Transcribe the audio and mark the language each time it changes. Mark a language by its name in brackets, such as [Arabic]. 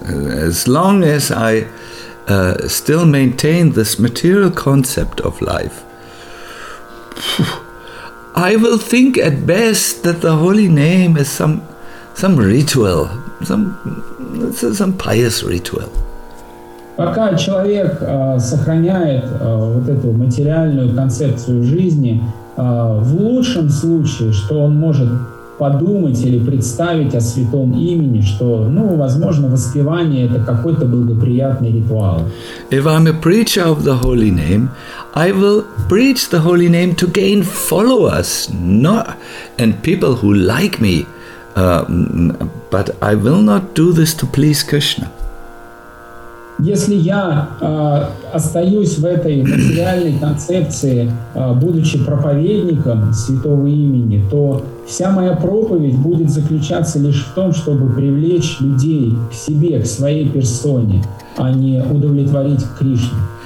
[English] As long as I still maintain this material concept of life, I will think at best that the holy name is some ritual, some pious ritual. [Russian] Пока человек сохраняет вот эту материальную концепцию жизни, в лучшем случае, что он может подумать или представить о святом имени, что, ну, возможно, воспевание — это какой-то благоприятный ритуал. [English] If I'm a preacher of the holy name, I will preach the holy name to gain followers, not and people who like me, but I will not do this to please Krishna. [Russian] Если я остаюсь в этой материальной концепции, будучи проповедником святого имени, то вся моя проповедь будет заключаться лишь в том, чтобы привлечь людей к себе, к своей персоне, а не удовлетворить Кришну.